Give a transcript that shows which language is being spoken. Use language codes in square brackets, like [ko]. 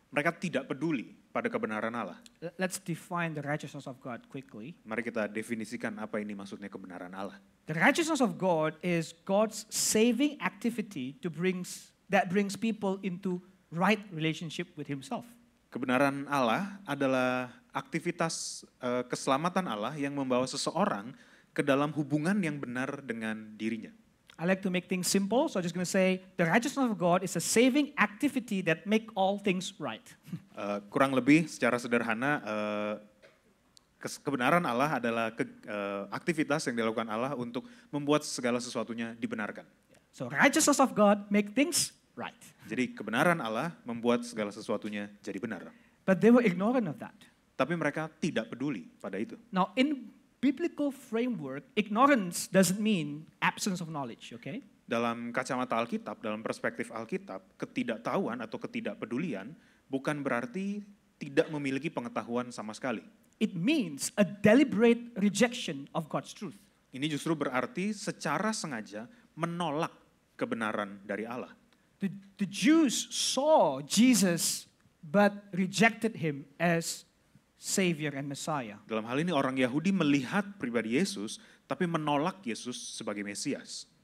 [id] Mereka tidak peduli pada kebenaran Allah. [en] Let's define the righteousness of God quickly. [id] Mari kita definisikan apa ini maksudnya kebenaran Allah. [en] The righteousness of God is God's saving activity to bring that brings people into right relationship with himself. [id] Kebenaran Allah adalah aktivitas keselamatan Allah yang membawa seseorang ke dalam hubungan yang benar dengan dirinya. [en] I like to make things simple, so I'm just going to say the righteousness of God is a saving activity that make all things right. [id] Kurang lebih secara sederhana, kebenaran Allah adalah aktivitas yang dilakukan Allah untuk membuat segala sesuatunya dibenarkan. [en] So righteousness of God make things right. [id] Jadi kebenaran Allah membuat segala sesuatunya jadi benar. [en] But they were ignorant of that. [id] Tapi mereka tidak peduli pada itu. [en] Now in biblical framework, ignorance doesn't mean absence of knowledge, okay? [id] Dalam kacamata Alkitab, dalam perspektif Alkitab, ketidaktahuan atau ketidakpedulian bukan berarti tidak memiliki pengetahuan sama sekali. [en] It means a deliberate rejection of God's truth. [id] Ini justru berarti secara sengaja menolak kebenaran dari Allah. [en] The Jews saw Jesus but rejected him as Savior and Messiah. [id] Dalam hal ini orang Yahudi melihat pribadi Yesus tapi menolak Yesus sebagai Mesias.